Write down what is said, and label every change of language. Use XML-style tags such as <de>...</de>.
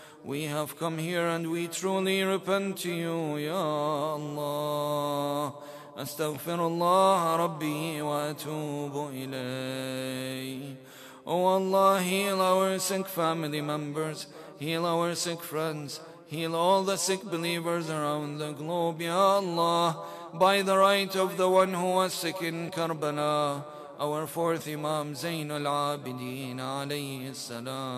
<en>We have come here and we truly repent to you, Ya Allah.</en> <ar>أستغفر الله ربي وأتوب إليه.</ar> <en>Oh Allah, heal our sick family members. Heal our sick friends. Heal all the sick believers around the globe, Ya Allah. By the right of the one who was sick in Karbala, our fourth Imam Zain al-Abidin alayhi salam.</en>